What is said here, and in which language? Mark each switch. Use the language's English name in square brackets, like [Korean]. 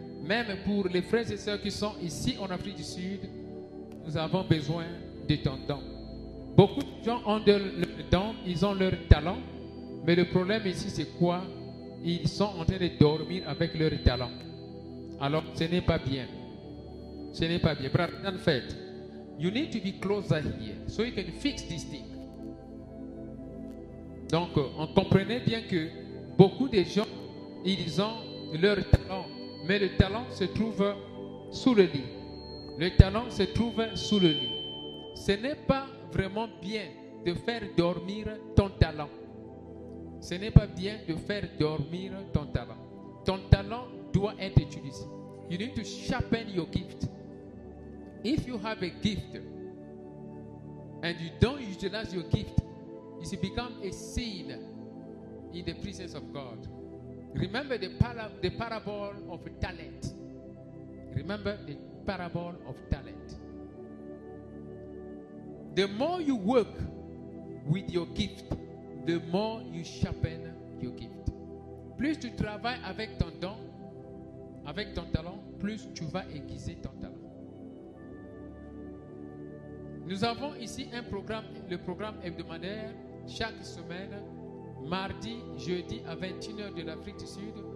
[French] Même pour les frères et soeurs qui sont ici en Afrique du Sud, nous avons besoin de ton don. Beaucoup de gens ont leur don, ils ont leur talent, mais le problème ici, c'est quoi? Ils sont en train de dormir avec leur talent. Alors, ce n'est pas bien. Ce n'est pas bien. [English] But in fact, you need to be closer here so you can fix this thing. [French] Donc, on comprenait bien que beaucoup de gens, ils ont leur talent, mais le talent se trouve sous le lit. Le talent se trouve sous le lit. Ce n'est pas vraiment bien de faire dormir ton talent. Ce n'est pas bien de faire dormir ton talent. Ton talent doit être utilisé. [English] You need to sharpen your gift. If you have a gift and you don't utilize your gift, it becomes a sin in the presence of God. Remember the parable of talent. Remember the parable of talent. The more you work with your gift, the more you sharpen your gift. [French] Plus tu travailles avec ton don, avec ton talent, plus tu vas aiguiser ton talent. Nous avons ici un programme, le programme hebdomadaire, chaque semaine, mardi, jeudi à 21h de l'Afrique du Sud.